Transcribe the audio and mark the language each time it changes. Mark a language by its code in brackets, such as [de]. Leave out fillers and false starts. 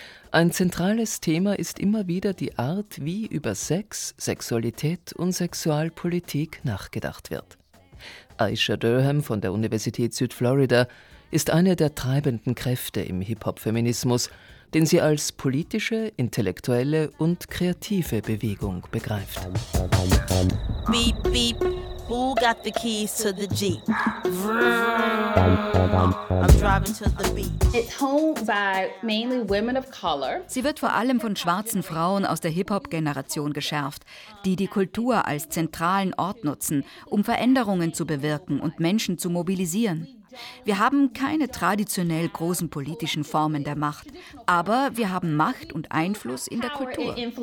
[de] Ein zentrales Thema ist immer wieder die Art, wie über Sex, Sexualität und Sexualpolitik nachgedacht wird. Aisha Durham von der Universität Südflorida ist eine der treibenden Kräfte im Hip-Hop-Feminismus, den sie als politische, intellektuelle und kreative Bewegung begreift. [en] Beep, beep. Who got the keys to the Jeep? I'm driving to the beach. It's home by mainly women of color. [de] Sie wird vor allem von schwarzen Frauen aus der Hip-Hop-Generation geschärft, die die Kultur als zentralen Ort nutzen, um Veränderungen zu bewirken und Menschen zu mobilisieren. Wir haben keine traditionell großen politischen Formen der Macht, aber wir haben Macht und Einfluss in der Kultur.